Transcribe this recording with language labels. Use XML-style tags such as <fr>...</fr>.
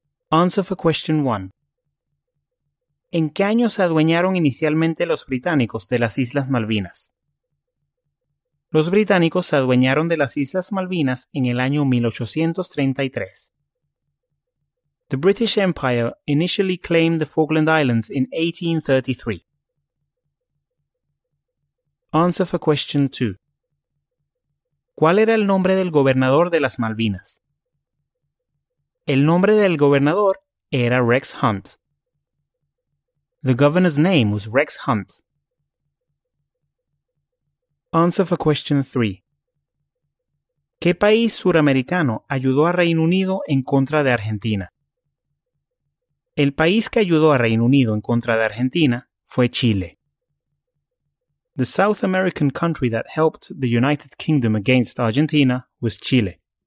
<en>Answer for question 1.</en> <es>¿En qué año se adueñaron inicialmente los británicos de las Islas Malvinas? los británicos se adueñaron de las Islas Malvinas en el año 1833.</es> <en>The British Empire initially claimed the Falkland Islands in 1833. Answer for question 2.</en> <es>¿Cuál era el nombre del gobernador de las Malvinas? El nombre del gobernador era Rex Hunt.</es> <en>The governor's name was Rex Hunt. Answer for question 3.</en> <es>¿Qué país suramericano ayudó a Reino Unido en contra de Argentina? El país que ayudó a Reino Unido en contra de Argentina fue Chile.</es> <en>The South American country that helped the United Kingdom against Argentina was Chile.</en>